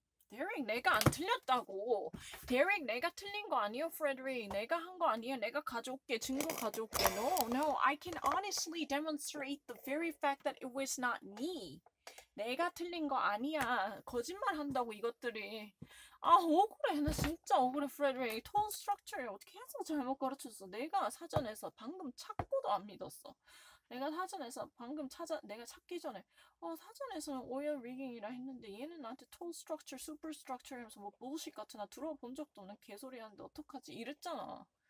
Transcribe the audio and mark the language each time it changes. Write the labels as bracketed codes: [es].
[ko] 데릭 내가 안 틀렸다고. 데릭 내가 틀린 거 아니야, 프레드릭. 내가 한 거 아니야. 내가 가져올게. 증거 가져올게. [en] No, no. I can honestly demonstrate the very fact that it was not me. [ko] 내가 틀린 거 아니야. 거짓말 한다고 이것들이. 아, 억울해. 나 진짜 억울해, 프레드릭. 톤 스트럭처를 어떻게 해서 잘못 가르쳤어. 내가 사전에서 방금 찾고도 안 믿었어. 내가 사전에서 방금 찾아 내가 찾기 전에 사전에서는 오일 리깅이라 했는데 얘는 나한테 톤 스트럭처, 슈퍼 스트럭처 하면서 뭐 bullshit 같은 나 들어본 적도 없는 개소리 하는데 어떡하지? 이랬잖아.